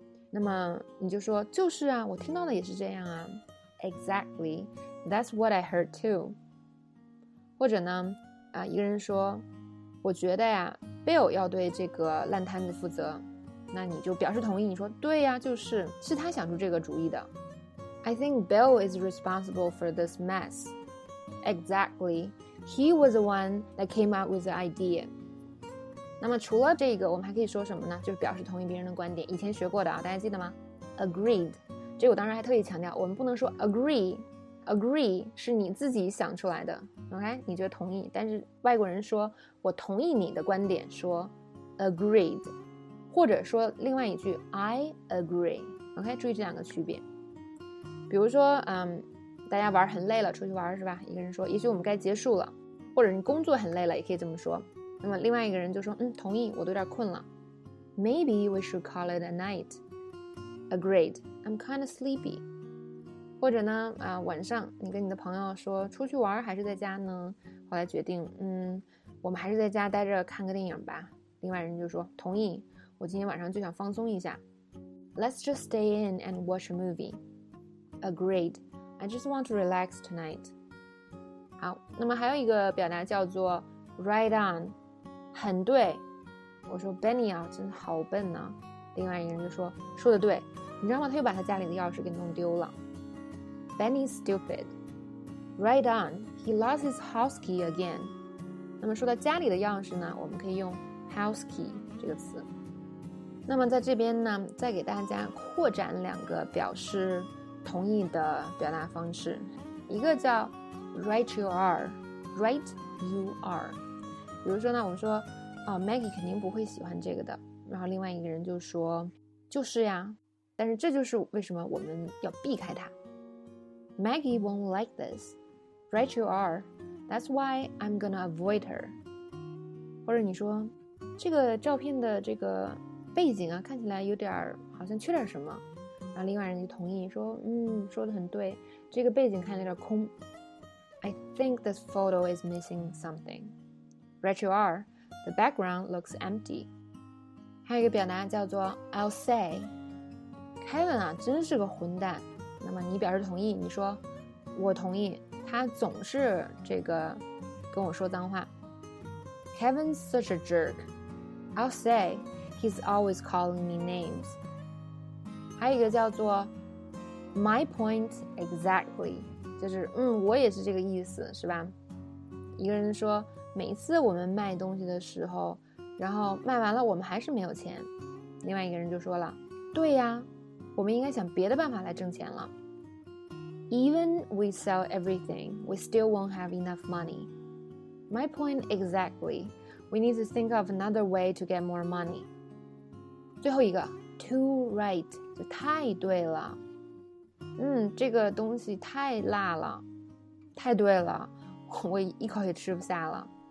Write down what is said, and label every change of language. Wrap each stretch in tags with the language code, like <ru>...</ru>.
<zh>那么你就说就是啊，我听到的也是这样啊 ，</zh> <en>exactly， that's what I heard too。</en> <zh>或者呢，一个人说，我觉得呀 ，Bill 要对这个烂摊子负责。那你就表示同意，你说对呀，就是是他想出这个主意的。</zh> <en>I think Bill is responsible for this mess. Exactly, he was the one that came up with the idea.</en> <zh>那么除了这个，我们还可以说什么呢？就是表示同意别人的观点。以前学过的啊，大家记得吗 ？Agreed. 这个我当时还特意强调，我们不能说 agree。 Agree 是你自己想出来的 ，OK？ 你觉得同意，但是外国人说我同意你的观点，说 agreed。或者说另外一句</zh> <en>I agree，</en> <zh>OK， 注意这两个区别。比如说大家玩很累了，出去玩是吧，一个人说也许我们该结束了，或者你工作很累了也可以这么说。那么另外一个人就说同意，我都有点困了。</zh> <en>Maybe we should call it a night。 Agreed, I'm kind of sleepy。</en> <zh>或者呢晚上你跟你的朋友说出去玩还是在家呢，后来决定我们还是在家待着看个电影吧，另外人就说同意，我今天晚上就想放松一下。</zh> <en>Let's just stay in and watch a movie. Agreed. I just want to relax tonight.</en> <zh>好，那么还有一个表达叫做 Right on， 很对。我说 Benny 啊，真的好笨啊。另外一个人就说说的对，你知道吗，他又把他家里的钥匙给弄丢了。</zh> <en>Benny's stupid. Right on. He lost his house key again.</en> <zh>那么说到家里的钥匙呢，我们可以用 house key 这个词。那么在这边呢，再给大家扩展两个表示同意的表达方式，一个叫 right you are， right you are。比如说呢，我们说Maggie 肯定不会喜欢这个的，然后另外一个人就说就是呀，但是这就是为什么我们要避开它。</zh> <en>Maggie won't like this， right you are， that's why I'm gonna avoid her。</en> <zh>或者你说这个照片的这个背景啊，看起来有点好像缺点什么，然后另外人就同意说说得很对，这个背景看起来有点空。</zh> <en>I think this photo is missing something. Right you are, the background looks empty.</en> <zh>还有一个表达叫做 I'll say， Kevin 啊真是个混蛋。那么你表示同意，你说我同意，他总是这个跟我说脏话。</zh> <en>Kevin's such a jerk. I'll sayHe's always calling me names.</en> <zh>还有一个叫做</zh> <en>My point exactly，</en> <zh>就是我也是这个意思，是吧？一个人说，每次我们卖东西的时候，然后卖完了我们还是没有钱，另外一个人就说了，对呀，我们应该想别的办法来挣钱了。</zh> <en>Even we sell everything, we still won't have enough money. My point exactly. We need to think of another way to get more money.</en> <zh>最后一个 too right 就太对了，这个东西太辣了，太对了，我一口也吃不下了。</zh>